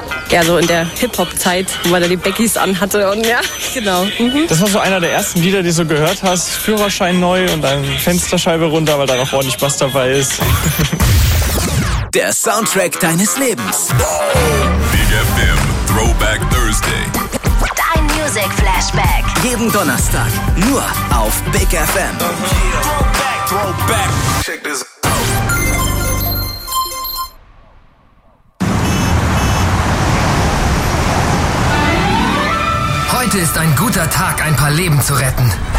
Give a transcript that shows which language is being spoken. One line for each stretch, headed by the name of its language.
German: Ja, so in der Hip-Hop-Zeit, wo man da die Beckys anhatte und ja, genau. Mhm. Das war so einer der ersten Lieder, die du so gehört hast. Führerschein neu und dann Fensterscheibe runter, weil da noch ordentlich Bass dabei ist. Der Soundtrack deines Lebens.
English: Big FM Throwback Thursday.
German: Dein Music Flashback. Jeden Donnerstag nur auf Big FM. Uh-huh.
English: Throwback. Check this out.
German: Heute ist ein guter Tag, ein paar Leben zu retten.